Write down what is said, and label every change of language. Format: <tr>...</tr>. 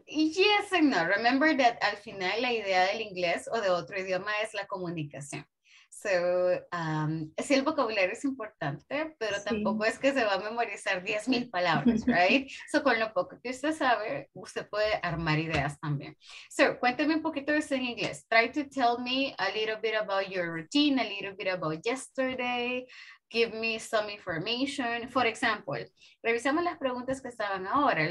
<en>Yes and no. Remember that</en> <es>al final la idea del inglés o de otro idioma es la comunicación. So, sí, el vocabulario es importante, pero sí. Tampoco es que se va a memorizar 10,000 palabras, right? So, con lo poco que usted sabe, usted puede armar ideas también. So, cuénteme un poquito de eso en inglés.</es> <en>Try to tell me a little bit about your routine, a little bit about yesterday. Give me some information. For example,</en> <es>revisamos las preguntas que estaban ahora.</es>